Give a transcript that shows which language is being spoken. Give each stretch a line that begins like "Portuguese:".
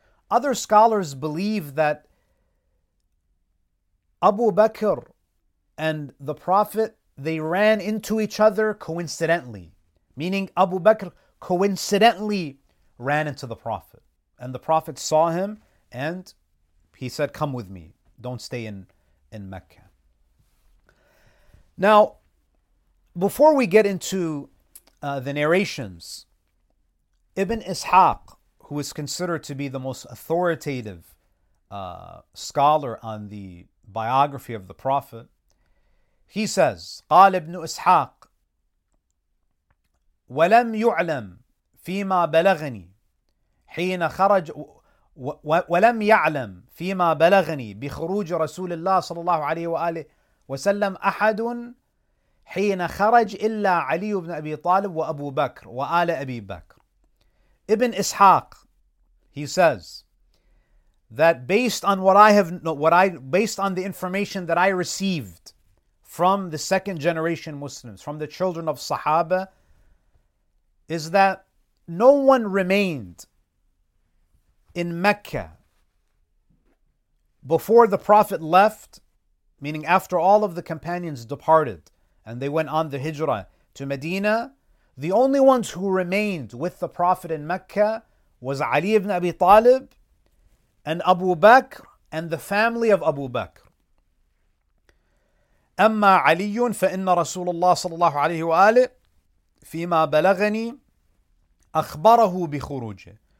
English: Other scholars believe that Abu Bakr and the Prophet, they ran into each other coincidentally. Meaning Abu Bakr coincidentally ran into the Prophet. And the Prophet saw him and he said, come with me. Don't stay in Mecca. Now, before we get into the narrations, Ibn Ishaq, who is considered to be the most authoritative scholar on the biography of the Prophet, he says,
Arabic: قال ابن إسحاق ولم يعلم فيما بلغني حين خرج ولم يعلم فيما بلغني بخروج رسول الله صلى الله عليه وآله وسلم أحد حين خرج إلا علي بن أبي طالب وأبو بكر وآل أبي بكر.
English: Ibn Ishaq, he says that based on the information that I received from the second generation Muslims, from the children of Sahaba, is that no one remained in Mecca before the Prophet left, meaning after all of the companions departed and they went on the hijrah to Medina. The only ones who remained with the Prophet in Mecca was Ali ibn Abi Talib and Abu Bakr and the family of Abu Bakr.
Arabic: أما علي فإن رسول الله صلى الله عليه وآله فيما بلغني أخبره بخروجه.